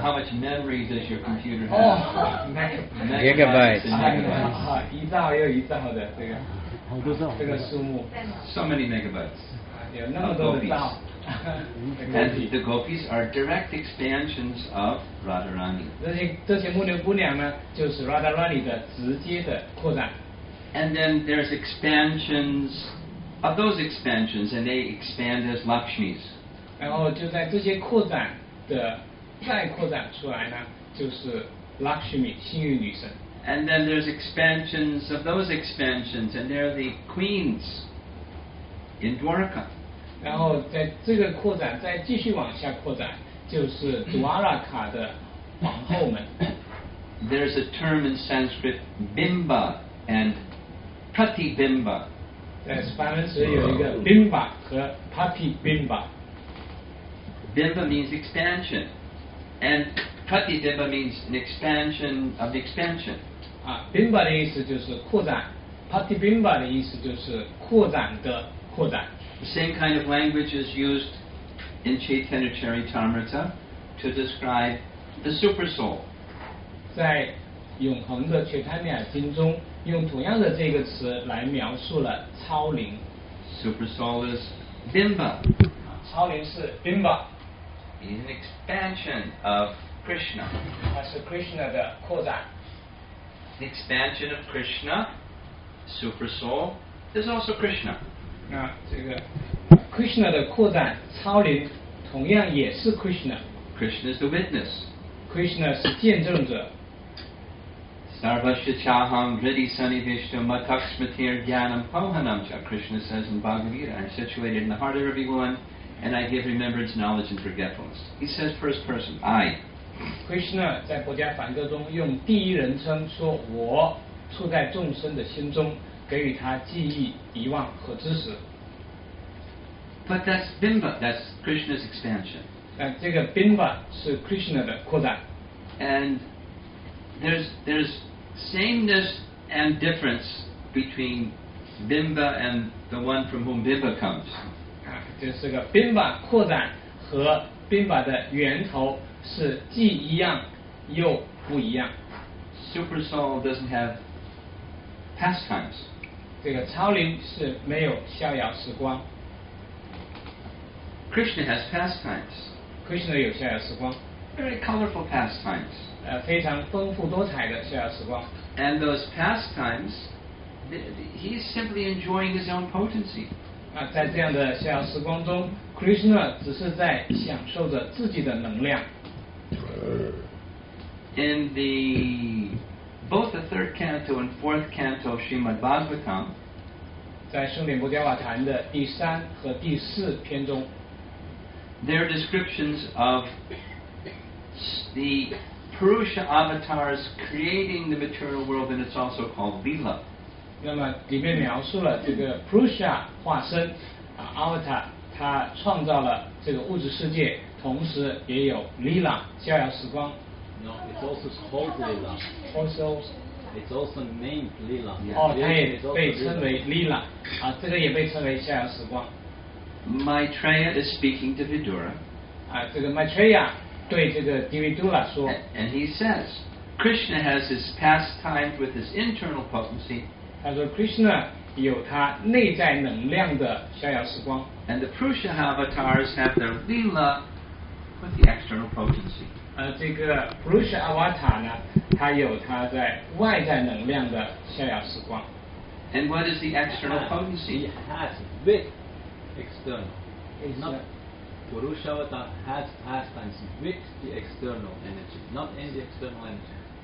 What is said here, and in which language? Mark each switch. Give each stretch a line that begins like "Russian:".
English: How much memory does your computer have? Megabytes.
Chinese: 一兆又一兆的这个。好多兆，这个数目。 So many megabytes. 有那么多的兆。
English: And the gopis are direct expansions of Radharani.
Chinese: 这些牧牛姑娘呢，就是 Radharani 的直接的扩展。
English: And then there's expansions of those expansions, and they expand as Lakshmis.
Chinese: 然后就在这些扩展的再扩展出来呢，就是 Lakshmi 幸运女神。
English: And then there's expansions of those expansions, and they're the queens in Dwarka.
Chinese: 然后在这个扩展，再继续往下扩展，就是 Dwaraka 的皇后们。
English: There's a term in Sanskrit, bimba and pratibimba.
Chinese: 在梵文时有一个 bimba 和 pratibimba.
English: Bimba means expansion, and pratibimba means an expansion of the expansion.
Chinese: Bimba 的意思就是扩展 Pratibimba 的意思就是扩展的扩展
English: The same kind of language is used in Chaitanya Charitamrita to describe the super soul
Chinese: 在永恒的 Chaitanya 经中用同样的这个词来描述了超灵
English: Super soul is Bimba
Chinese: 超灵是 Bimba
English: is an expansion of Krishna
Chinese: 它是 Krishna 的扩展
English: The expansion of Krishna, super soul, is also Krishna.
Chinese: 那这个 Krishna 的扩展超灵，同样也是 Krishna.
English: Krishna is the witness.
Chinese: Krishna 是见证者。
Sanskrit: Sarvasya chaham riddhi sannivishto matak smritir jnanam pohanam cha.
English: Krishna says in Bhagavad Gita, I am situated in the heart of everyone, and I give remembrance, knowledge, and forgetfulness. He says first person, I.
Chinese: Krishna 在佛家梵歌中用第一人称说我处在众生的心中给予他记忆遗忘和知识
English: But that's Bimba, that's Krishna's expansion
Chinese: 这个 Bimba 是 Krishna 的扩展。
English: And there's sameness and difference between Bimba and the one from whom Bimba comes.
Chinese: 就是这个 Bimba 扩展和 Bimba 的源头是既一样又不一样。
English: Super Soul doesn't have pastimes.
Chinese: 这个超灵是没有逍遥时光。
English: Krishna has pastimes.
Chinese: Krishna 有逍遥时光。
English: Very colorful pastimes.
Chinese: 非常丰富多彩的逍遥时光。
English: And those pastimes, he's simply enjoying his own potency.
Chinese: 在这样的逍遥时光中 ，Krishna 只是在享受着自己的能量。
English: In the both the third canto and fourth canto Srimad Bhagavatam,
Chinese: 在圣典波迦瓦坛的第三和第四篇中
English: ，their descriptions of the Purusha avatars creating the material world, and it's also called Lila.
Chinese: 那么里面描述了这个 Purusha 化身啊 avatar， 他创造了这个物质世界，同时也有 Lila 逍遥时光。
English: No, it's also called Lila. Also, it's also named Lila.
Chinese: Yeah, 它也被称为 Lila. 啊，这个也被称为逍遥时光。
English: Maitreya is speaking to Vidura.
Chinese: 啊，这个 Maitreya 对这个 Vidura 说。
English: And he says, Krishna has his pastime with his internal potency.
Chinese: 他说 ，Krishna 有他内在能量的逍遥时光。
English: And the Purusha avatars have their Lila with the external potency.
Chinese: 这个 Purusha Avatar 呢，它有它在外在能量的逍遥时光。
English: And what is the external potency? He has with external. Not Purusha Avatar has pastimes with the external energy, not in the external energy.